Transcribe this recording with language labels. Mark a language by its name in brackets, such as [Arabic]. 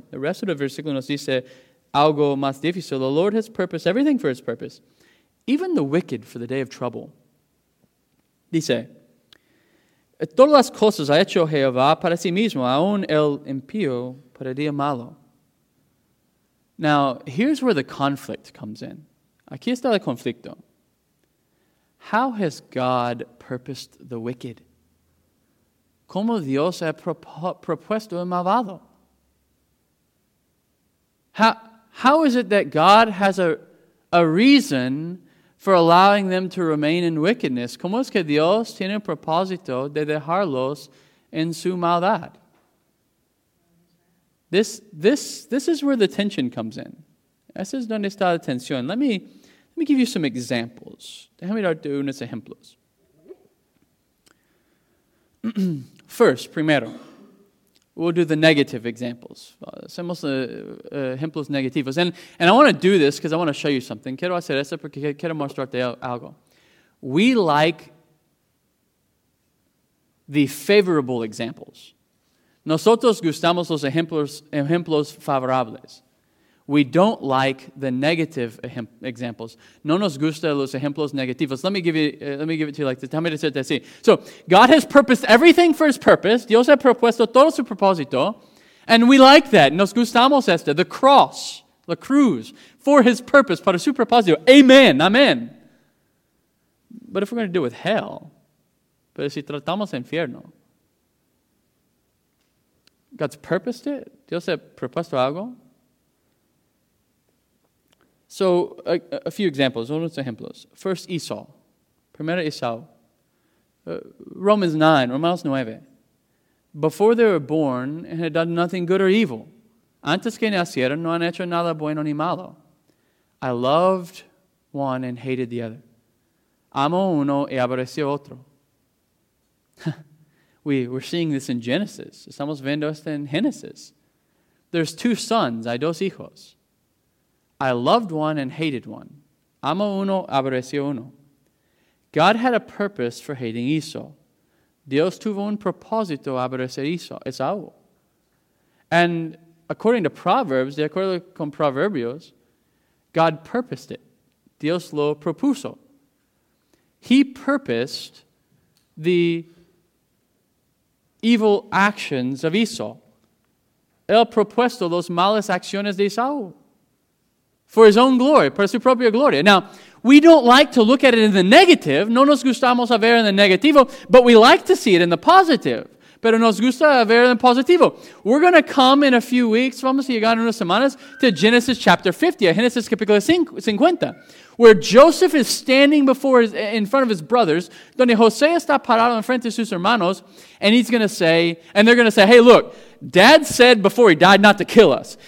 [English] The rest of the [Spanish] versículo nos dice algo más difícil. [English] The Lord has purposed everything for his purpose, even the wicked for the day of trouble. [Spanish] Dice, todas las cosas ha hecho Jehová para sí mismo, aún el impío para día malo. [English] Now, here's where the conflict comes in. [Spanish] Aquí está el conflicto. [English] How has God purposed the wicked? [Spanish] ¿Cómo Dios ha propuesto el malvado? [English] How is it that God has a reason for allowing them to remain in wickedness? [Spanish] ¿Cómo es que Dios tiene un propósito de dejarlos en su maldad? [English] This is where the tension comes in. [Spanish] Esa es donde está la tensión. [English] Let me give you some examples. [Spanish] Déjame darte unos ejemplos. [English] First, [Spanish] primero. [English] We'll do the negative examples. [Spanish] Hacemos ejemplos negativos. [English] And I want to do this because I want to show you something. [Spanish] Quiero hacer eso porque quiero mostrarte algo. [English] We like the favorable examples. [Spanish] Nosotros gustamos los ejemplos favorables. [English] We don't like the negative examples. [Spanish] No nos gustan los ejemplos negativos. [English] Let me give it to you like this. [Spanish] Déjame decirte así. [English] So, God has purposed everything for his purpose. [Spanish] Dios ha propuesto todo su propósito. [English] And we like that. [Spanish] Nos gustamos esto. [English] The cross, [Spanish] la cruz, [English] for his purpose, [Spanish] para su propósito. [English] Amen, amen. But if we're going to deal with hell, [Spanish] pero si tratamos infierno, [English] God's purposed it? [Spanish] Dios ha propuesto algo? [English] So, a few examples. [Spanish] Unos ejemplos. [English] First, Esau. [Spanish] Primero, [English] Esau. [Spanish] Romanos 9. [English] Before they were born, they had done nothing good or evil. [Spanish] Antes que nacieron, no han hecho nada bueno ni malo. [English] I loved one and hated the other. [Spanish] Amo uno y aborrecio otro. [English] We're seeing this in Genesis. [Spanish] Estamos viendo esto en Genesis. [English] There's two sons, [Spanish] hay dos hijos. [English] I loved one and hated one. [Spanish] Amo uno, aborrecio uno. [English] God had a purpose for hating Esau. [Spanish] Dios tuvo un propósito aborrecer Esau. [English] And according to Proverbs, [Spanish] de acuerdo con Proverbios, [English] God purposed it. [Spanish] Dios lo propuso. [English] He purposed the evil actions of Esau. [Spanish] El propuesto los malas acciones de Esau. [English] For his own glory, [Spanish] para su propia gloria. [English] Now, we don't like to look at it in the negative. [Spanish] No nos gustamos a ver en el negativo, [English] but we like to see it in the positive. [Spanish] Pero nos gusta ver en el positivo. [English] We're going to come in a few weeks, [Spanish] vamos a llegar en unas semanas, [English] to Genesis chapter 50, [Spanish] Genesis capítulo 50, [English] where Joseph is standing before in front of his brothers, [Spanish] donde José está parado en frente de sus hermanos, [English] and he's going to say, and they're going to say, hey, look, Dad said before he died not to kill us.